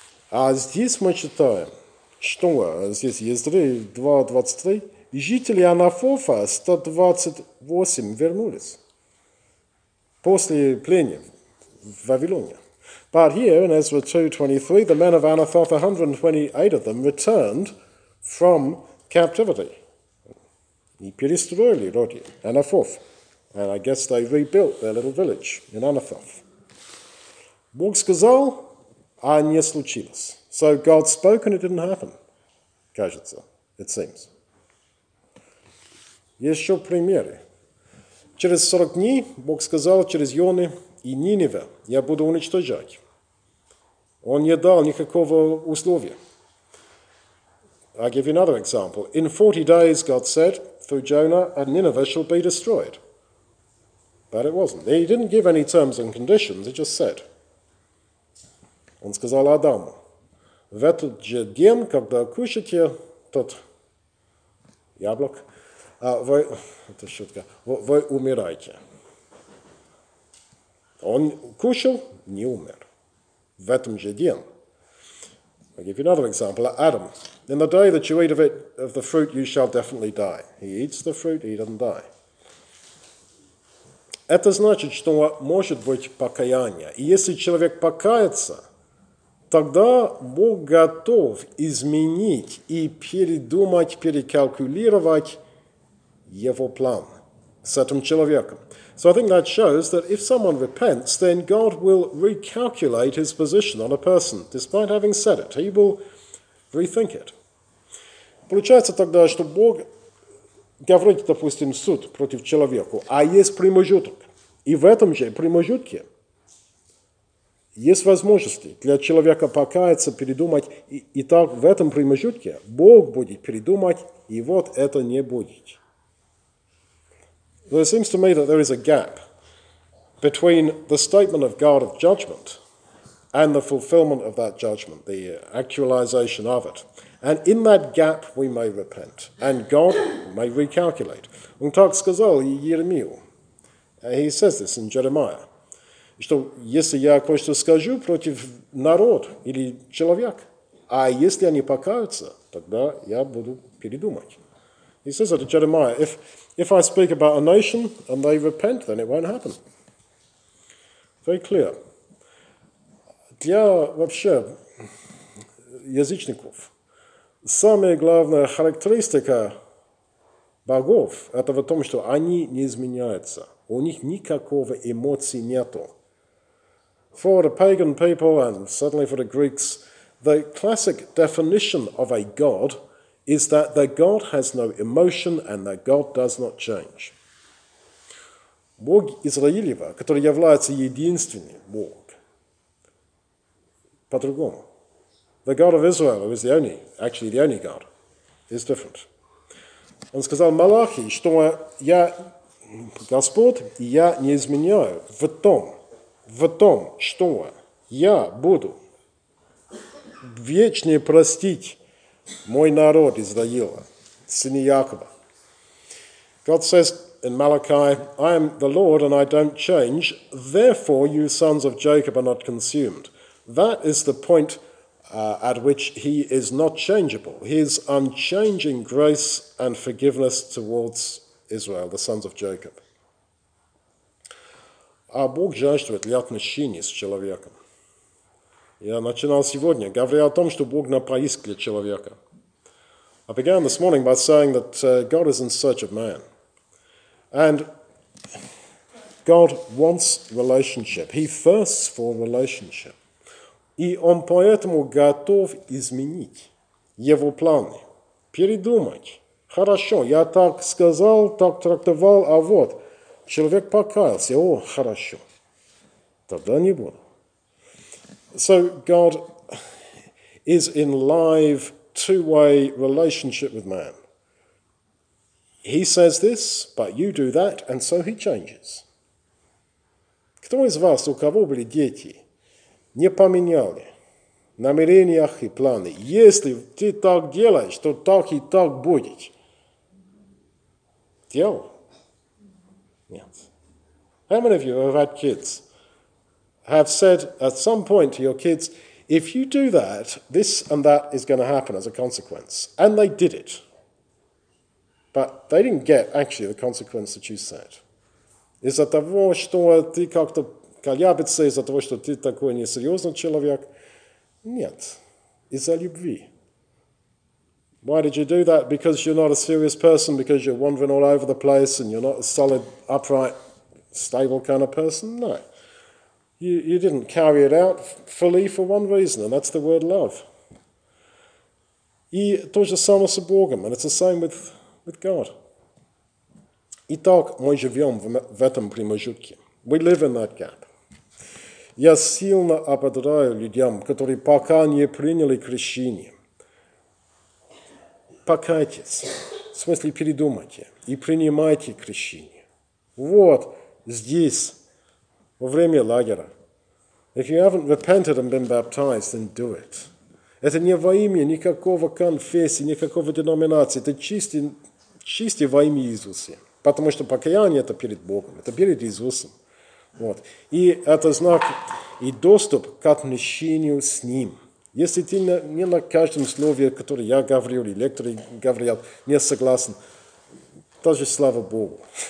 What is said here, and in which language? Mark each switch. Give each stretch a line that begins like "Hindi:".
Russian: А здесь мы читаем, что здесь Ездры 2.23, жители Анафофа 128 вернулись после плена в Вавилоне.
English: But here in Ezra 2.23, the men of Anathoth, 128 of them, returned from captivity.
Russian: И перестроили роди, Анафоф.
English: And I guess they rebuilt their little village in Anathoth.
Russian: Бог сказал, а не случилось.
English: So God spoke and it didn't happen.
Russian: Кажется,
English: it seems.
Russian: Еще примеры. Через 40 дней Бог сказал через Йоны и Ниневе, я буду уничтожать. Он не дал никакого условия.
English: I'll give you another example. In 40 days, God said, through Jonah, and Nineveh shall be destroyed. But it wasn't. He didn't give any terms and conditions, he just said.
Russian: Он сказал Адаму, в этот же день, когда кушаете тот яблок, вы умираете. Он кушал, не умер. В этом же день.
English: I'll give you another example, Adam. In the day that you eat of it, of the fruit, you shall definitely die. He eats the fruit, he doesn't die.
Russian: Это значит, что может быть покаяние. И если человек покается, тогда Бог готов изменить и передумать, перекалькулировать его план с этим человеком.
English: So I think that shows that if someone repents, then God will recalculate his position on a person, despite having said it. He will rethink it.
Russian: Получается тогда, что Бог говорит, допустим, суд против человека, а есть промежуток. И в этом же промежутке есть возможности для человека покаяться, передумать. И так в этом промежутке Бог будет передумать, и вот это не будет.
English: There seems to me that there is a gap between the statement of God of judgment and the fulfillment of that judgment, the actualization of it. And in that gap, we may repent, and God may recalculate.
Russian: Он так сказал Еремию.
English: He says this in Jeremiah.
Russian: Что если я кое-что скажу против народ или человек, а если они покаются, тогда я буду передумать.
English: He says that to Jeremiah, if I speak about a nation and they repent, then it won't happen. Very clear.
Russian: Для вообще язычников, самая главная характеристика богов, это в том, что они не изменяются. У них никакого эмоций нету.
English: For the pagan people, and certainly for the Greeks, the classic definition of a god is that the God has no emotion and that God does not change.
Russian: Бог Израилева, который является единственным Бог, по-другому.
English: The God of Israel, who is the only, actually the only God, is different.
Russian: Он сказал Малахи, что я Господь, и я не изменяю в том, что я буду вечно простить мой народ Израиля, сыны Якова.
English: God says in Malachi, I am the Lord and I don't change, therefore you sons of Jacob are not consumed. That is the point at which he is not changeable. His unchanging grace and forgiveness towards Israel, the sons of Jacob.
Russian: А Бог жаждет ли отношений с человеком? Я начинал сегодня, говоря о том, что Бог на поиск для человека.
English: I began this morning by saying that God is in search of man. And God wants relationship. He thirsts for relationship.
Russian: И он поэтому готов изменить его планы, передумать. Хорошо, я так сказал, так трактовал, а вот, человек покаялся, о, хорошо, тогда не буду.
English: So God is in live two-way relationship with man. He says this, but you do that, and so he changes.
Russian: Кто из вас, у кого были дети, не поменяли намерения и планы? Если ты так делаешь, то так и так будет. Делал? Нет.
English: How many of you have had kids have said at some point to your kids, if you do that, this and that is going to happen as a consequence? And they did it. But they didn't get actually the consequence that you said.
Russian: Из-за того, что ты как-то колябится, из-за того, что ты такой несерьезный человек? Нет. Из-за любви.
English: Why did you do that? Because you're not a serious person, because you're wandering all over the place and you're not a solid, upright, stable kind of person? No. You didn't carry it out fully for one reason, and that's the word love.
Russian: И то же самое с Богом,
English: and it's the same with God.
Russian: Итак, мы живем в этом промежутке.
English: We live in that gap.
Russian: Я сильно ободряю людям, которые пока не приняли крещение. Покайтесь, в смысле передумайте и принимайте крещение. Вот здесь, во время лагеря.
English: If you haven't repented and been baptized, then do it.
Russian: Это не во имя никакого конфессии, никакого деноминации. Это чисто во имя Иисуса. Потому что покаяние – это перед Богом, это перед Иисусом. Вот. И это знак и доступ к отношению с Ним. Если ты не на каждом слове, которое я говорю, или лекторы говорят, не согласен, тоже слава Богу.